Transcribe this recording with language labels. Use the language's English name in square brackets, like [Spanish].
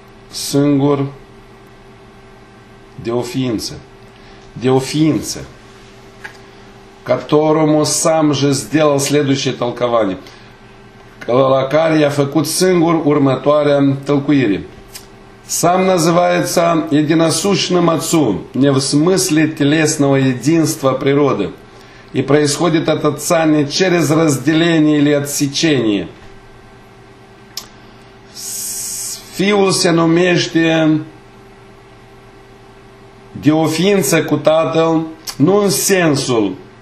[Romanian] Singur de o ființă. De o ființă, [Russian] которому сам же сделал следующее толкование, [Romanian] la care i-a făcut singur următoarea tălcuire. [Russian] Сам называется единосущным отцу, не в смысле телесного единства природы, и происходит от отца не через разделение или отсечение. [Romanian] Fiul se numește de o ființă cu tatăl, nu în sensul